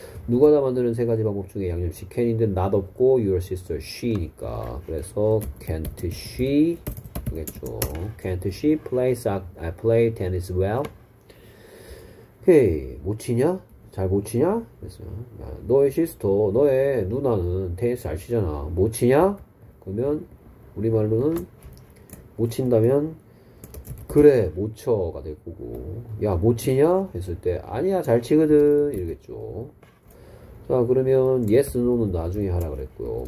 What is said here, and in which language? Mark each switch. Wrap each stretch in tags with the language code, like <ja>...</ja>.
<ko>누가 다 만드는 세 가지 방법 중에 양념식 can인데 not 없고 Your sister she니까 그래서</ko> <en>can't she</en> <ko>그렇죠.</ko> <en>Can't she play soccer, play tennis well?</en> <ko>헤이, 못 치냐? 잘못 치냐? 그랬어요. 야, 너의 시스터, 너의 누나는 테니스 잘 치잖아. 못 치냐? 그러면 우리말로는 못 친다면 그래, 못 쳐가 될 거고. 야, 못 치냐? 했을 때 아니야, 잘 치거든. 이러겠죠. 자, 그러면 yes, no는 나중에 하라 그랬고요.</ko>